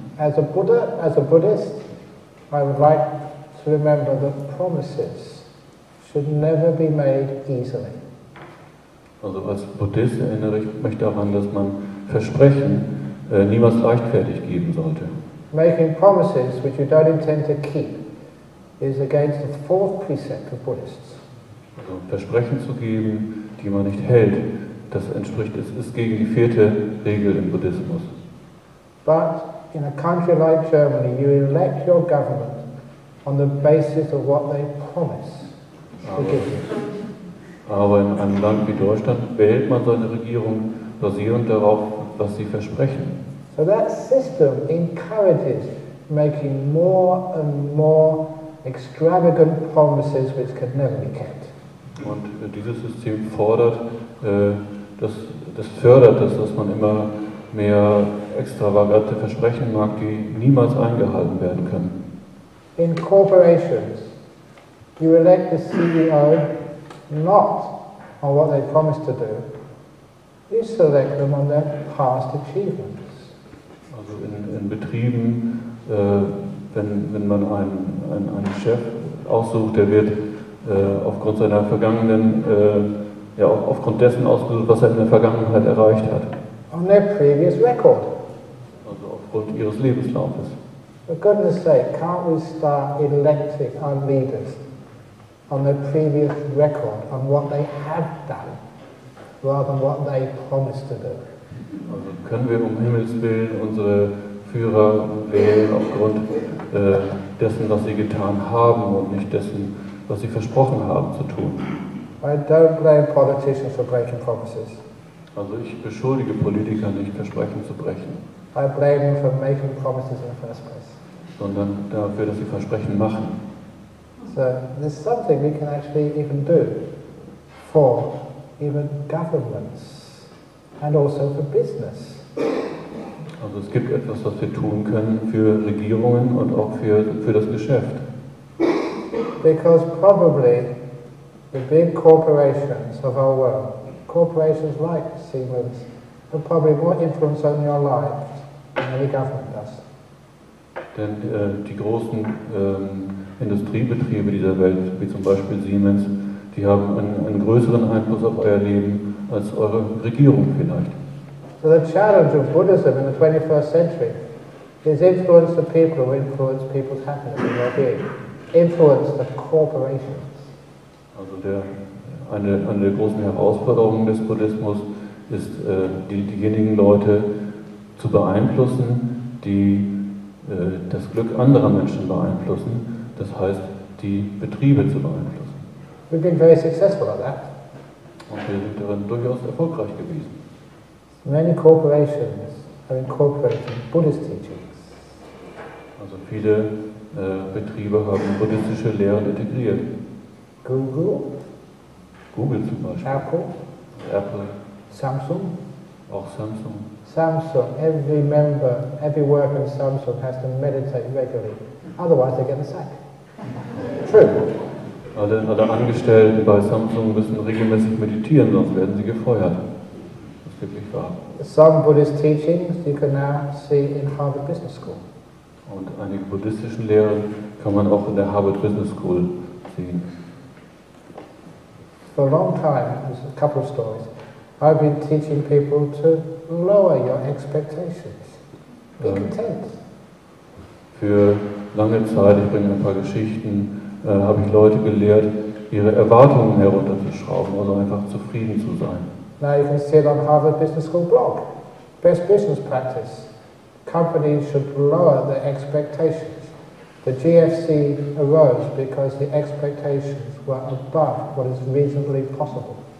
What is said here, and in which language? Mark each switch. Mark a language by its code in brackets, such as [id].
[en] As a Buddha, as a Buddhist, I would like to remember that promises should never be made easily. [de] Also als Buddhist erinnere ich mich daran, dass man Versprechen niemals leichtfertig geben sollte. [en] Making promises which you don't intend to keep is against the fourth precept of Buddhists. [de] Also Versprechen zu geben, die man nicht hält, das entspricht, es ist gegen die vierte Regel im Buddhismus. [en] But in a country like Germany, you elect your government on the basis of what they promise to give you. [de] Aber in einem Land wie Deutschland wählt man seine Regierung basierend darauf, was sie versprechen. [en] So that system encourages making more and more extravagant promises which can never be kept. [de] Und dieses System fordert, das fördert, dass man immer mehr extravagante Versprechen macht, die niemals eingehalten werden können. [en] In corporations, you elect the CEO not on what they promise to do, you select them on their past achievements. [de] Also in Betrieben, wenn man einen Chef aussucht, der wird aufgrund seiner vergangenen, aufgrund dessen ausgesucht, was er in der Vergangenheit erreicht hat. [en] On their previous record. [de] Also aufgrund ihres Lebenslaufes. [en] For goodness sake, can't we start electing our leaders on their previous record, on what they have done, rather than what they promised to do? [de] Also können wir um Himmels Willen unsere Führer wählen aufgrund dessen, was sie getan haben und nicht dessen, was sie versprochen haben zu tun? [en] I don't blame politicians for breaking promises. [de] Also ich beschuldige Politiker nicht, Versprechen zu brechen. [en] I blame them for making promises in the first place. [de] Sondern dafür, dass sie Versprechen machen. [en] So there's something we can actually even do for even governments and also for business. [de] Also es gibt etwas, was wir tun können für Regierungen und auch für das Geschäft. [en] Because probably the big corporations of our world, corporations like Siemens, have probably more influence on your life than any government does. [de] Denn die großen Industriebetriebe dieser Welt, wie zum Beispiel Siemens, die haben einen größeren Einfluss auf euer Leben als eure Regierung vielleicht. [en] So the challenge of Buddhism in the 21st century is influence the people who influence people's happiness and well-being. Influence the corporations. [de] Also eine der großen Herausforderungen des Buddhismus ist, diejenigen Leute zu beeinflussen, die das Glück anderer Menschen beeinflussen, das heißt, die Betriebe zu beeinflussen. [en] We've been very successful at that. [de] Und wir sind darin durchaus erfolgreich gewesen. [en] Many corporations are incorporating Buddhist teachings. [de] Also viele Betriebe haben buddhistische Lehren integriert. [en] Google [de] zum Beispiel. [en] Apple. Samsung. [de] Auch Samsung. [en] Samsung, every member, every worker in Samsung has to meditate regularly, otherwise they get the sack. True. [de] Alle Angestellten bei Samsung müssen regelmäßig meditieren, sonst werden sie gefeuert. Das ist wirklich wahr. [en] Some Buddhist teachings you can now see in Harvard Business School. [de] Und einige buddhistischen Lehren kann man auch in der Harvard Business School sehen. [en] For a long time, there's a couple of stories. I've been teaching people to lower your expectations. Be content. [de] Für lange Zeit, ich bringe ein paar Geschichten, habe ich Leute gelehrt, ihre Erwartungen herunterzuschrauben, also einfach zufrieden zu sein. [en] Now you can see it on Harvard Business School blog. Best business practice. Companies should lower their expectations. The GFC arose because the expectations were above what is reasonably possible.